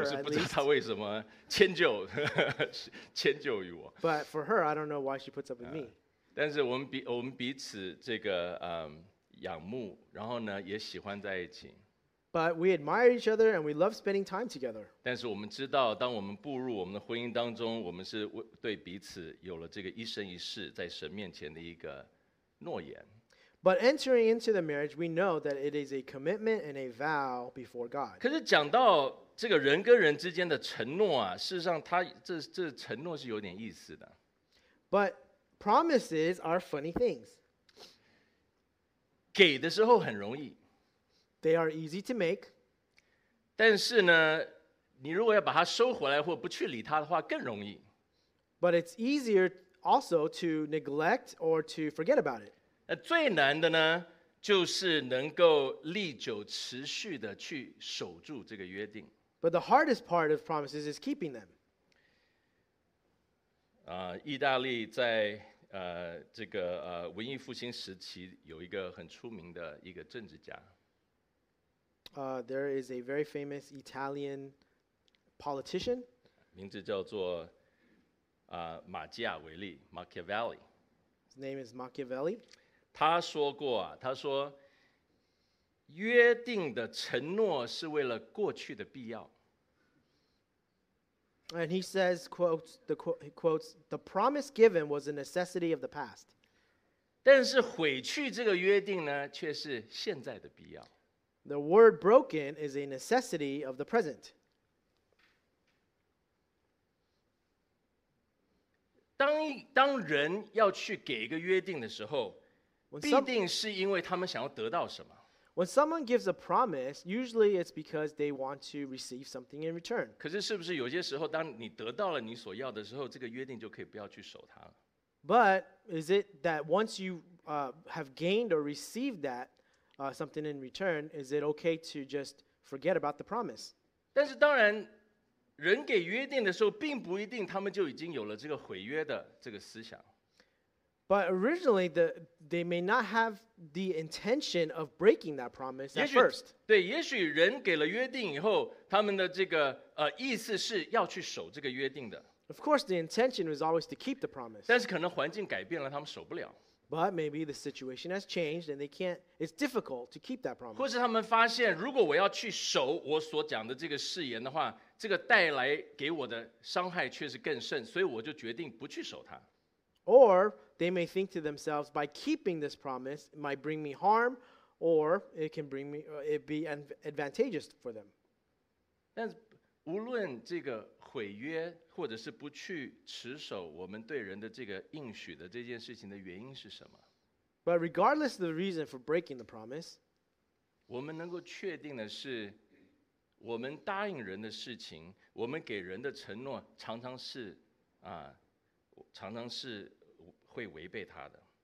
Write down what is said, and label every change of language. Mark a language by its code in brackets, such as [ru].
[zh] 我是不知道他为什么迁就，迁就于我。 [en] But for her, I don't know why she puts up with me. [zh] 但是我们彼此这个仰慕，然后呢也喜欢在一起。 [en] But we admire each other and we love spending time together. [zh] 但是我们知道，当我们步入我们的婚姻当中，我们是对彼此有了这个一生一世在神面前的一个诺言。 [en] But entering into the marriage, we know that it is a commitment and a vow before God. [zh] 可是讲到这个人跟人之间的承诺啊，事实上他这承诺是有点意思的。 [en] But promises are funny things. [zh] 给的时候很容易。 [en] They are easy to make. [zh] 但是呢，你如果要把它收回来或不去理它的话，更容易。 [en] But it's easier also to neglect or to forget about it. [zh] 那最难的呢，就是能够历久持续的去守住这个约定。 [en] But the hardest part of promises is keeping them. [zh] 意大利在这个文艺复兴时期有一个很出名的一个政治家。 [en] There is a very famous Italian politician. [zh] 名字叫做马基亚维利 Machiavelli. [en] His name is Machiavelli. [zh] 他说过啊，他说约定的承诺是为了过去的必要。 [en] And he says, quotes, the promise given was a necessity of the past. [zh] 但是毁去这个约定呢，却是现在的必要。 [en] The word broken is a necessity of the present. [zh] 当人要去给一个约定的时候，必定是因为他们想要得到什么。 [en] When someone gives a promise, usually it's because they want to receive something in return. [zh] 可是是不是有些时候，当你得到了你所要的时候，这个约定就可以不要去守它了？ [en] But is it that once you have gained or received that, something in return, is it okay to just forget about the promise? [zh] 但是当然，人给约定的时候，并不一定他们就已经有了这个毁约的这个思想。 [en] But originally, they may not have the intention of breaking that promise at first. [zh] 对，也许人给了约定以后，他们的这个意思是要去守这个约定的。 [en] Of course, the intention was always to keep the promise. [zh] 但是可能环境改变了，他们守不了。 [en] But maybe the situation has changed and they can't, it's difficult to keep that promise. [zh] 或是他们发现，如果我要去守我所讲的这个誓言的话，这个带来给我的伤害却是更甚，所以我就决定不去守它。 [en] Or they may think to themselves, by keeping this promise, it might bring me harm, or it can bring me, it be advantageous for them. [zh] 但无论这个毁约或者是不去持守我们对人的这个应许的这件事情的原因是什么？ [en] But regardless of the reason for breaking the promise, [zh] 我们能够确定的是，我们答应人的事情，我们给人的承诺，常常是会违背他的。